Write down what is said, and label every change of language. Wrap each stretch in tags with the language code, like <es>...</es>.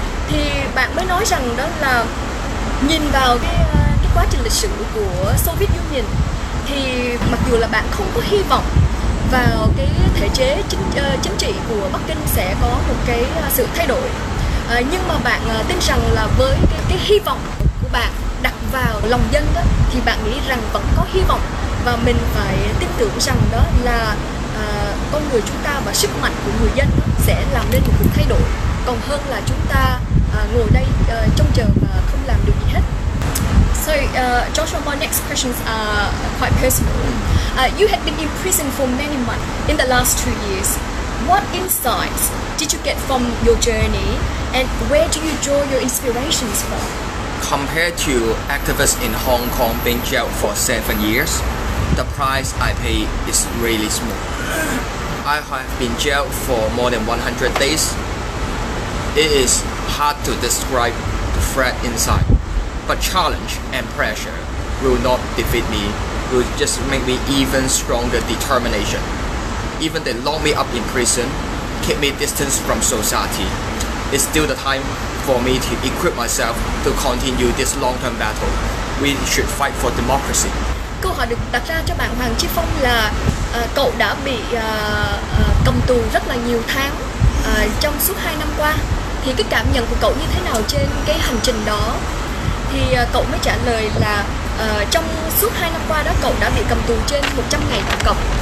<vi>Thì bạn mới nói rằng đó là nhìn vào cái quá trình lịch sử của Soviet Union thì mặc dù là bạn không có hy vọng vào cái thể chế chính trị của Bắc Kinh sẽ có một cái sự thay đổi, nhưng mà bạn tin rằng là với cái hy vọng của bạn đặt vào lòng dân đó thì bạn nghĩ rằng vẫn có hy vọng, và mình phải tin tưởng rằng đó là con người chúng ta và sức mạnh của người dân sẽ làm nên một cuộc thay đổi, còn hơn là chúng ta ngồi đây trông chờ và không làm được gì hết.</vi> <en>So Joshua, my next questions are quite personal. You had been in prison for many months in the last 2 years. What insights did you get from your journey, and where do you draw your inspirations from? Compared to activists in Hong Kong being jailed for 7 years, the price I pay is really small. I have been jailed for more than 100 days. It is hard to describe the threat inside, but challenge and pressure will not defeat me, will just make me even stronger determination. Even they lock me up in prison, keep me distance from society, it's still the time for me to equip myself to continue this long-term battle. We should fight for democracy.</en> <vi>Câu hỏi được đặt ra cho bạn Hoàng Chi Phong là cậu đã bị cầm tù rất là nhiều tháng trong suốt 2 năm qua. Thì cái cảm nhận của cậu như thế nào trên cái hành trình đó? Thì cậu mới trả lời là trong suốt 2 năm qua đó cậu đã bị cầm tù trên 100 ngày tổng cộng.</vi>